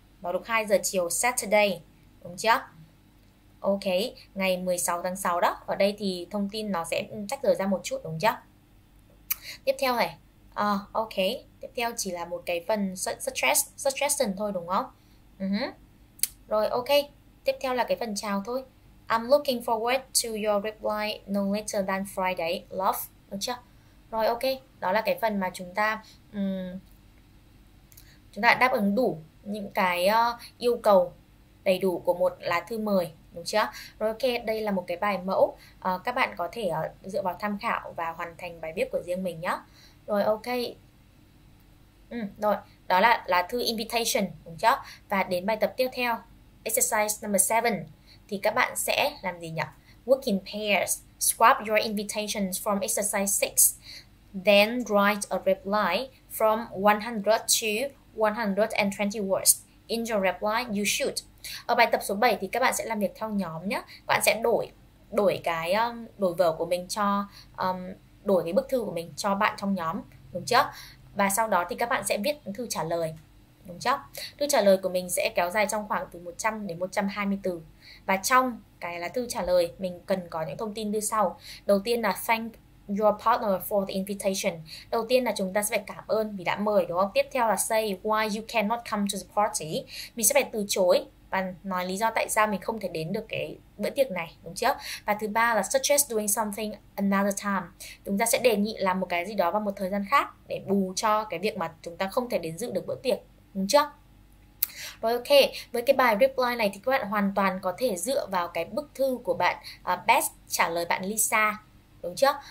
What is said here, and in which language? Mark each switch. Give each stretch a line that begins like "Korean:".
Vietnamese: vào lúc 2 giờ chiều Saturday, đúng chưa? Ok, ngày 16 tháng 6 đó. Ở đây thì thông tin nó sẽ tách rời ra một chút, đúng chưa? Tiếp theo này. À, ok, tiếp theo chỉ là một cái phần suggestion thôi, đúng không? Rồi, ok, tiếp theo là cái phần chào thôi.
English: I'm looking forward to your reply no later than Friday, love.
Vietnamese: Được chưa? Rồi, ok, đó là cái phần mà chúng ta đáp ứng đủ những cái yêu cầu đầy đủ của một lá thư mời, đúng chưa? Rồi, ok, đây là một cái bài mẫu. Các bạn có thể dựa vào tham khảo và hoàn thành bài viết của riêng mình nhé. Rồi, ok. Rồi, đó là lá thư invitation, đúng chưa? Và đến bài tập tiếp theo,
English: exercise number 7,
Vietnamese: thì các bạn sẽ làm gì nhỉ?
English: Work in pairs, swap your invitations from exercise 6, then write a reply from 100 to 120 words. In your reply, you should.
Vietnamese: Ở bài tập số 7 thì các bạn sẽ làm việc theo nhóm nhé. Các bạn sẽ đổi vở của mình cho đổi cái bức thư của mình cho bạn trong nhóm, đúng chưa? Và sau đó thì các bạn sẽ viết thư trả lời, đúng chưa? Thư trả lời của mình sẽ kéo dài trong khoảng từ 100 đến 120 từ. Và trong cái lá thư trả lời, mình cần có những thông tin như sau. Đầu tiên là
English: thank your partner for the invitation.
Vietnamese: Đầu tiên là chúng ta sẽ phải cảm ơn vì đã mời, đúng không? Tiếp theo là
English: say why you cannot come to the party.
Vietnamese: Mình sẽ phải từ chối và nói lý do tại sao mình không thể đến được cái bữa tiệc này, đúng chưa? Và thứ ba là
English: suggest doing something another time.
Vietnamese: Chúng ta sẽ đề nghị làm một cái gì đó vào một thời gian khác để bù cho cái việc mà chúng ta không thể đến dự được bữa tiệc, đúng chưa? Rồi, ok, với cái bài reply này thì các bạn hoàn toàn có thể dựa vào cái bức thư của bạn Beth trả lời bạn Lisa, đúng chưa?